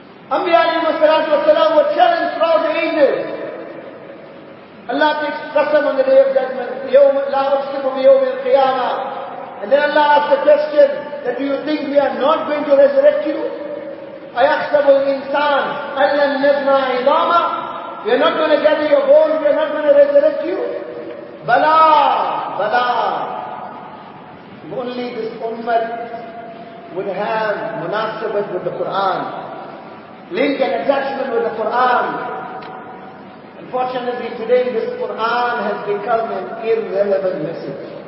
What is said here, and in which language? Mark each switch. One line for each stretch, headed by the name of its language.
English: Anbiya alayhi salatu wa salam were challenged throughout the ages. Allah takes qasam on the day of judgment.
Arabic: لا أقسم بيوم القيامة.
English: And then Allah asks the question, that do you think we are not going to resurrect you?
Arabic: أيحسب الإنسان أَلَّا نَجْمَعْ عِظَامًا.
English: We are not going to gather your bones, we are not going to resurrect you.
Arabic: بَلَا بَلَا.
English: Only this ummah would have munasabat with the Qur'an. Link an attachment with the Qur'an. Unfortunately today this Qur'an has become an irrelevant message.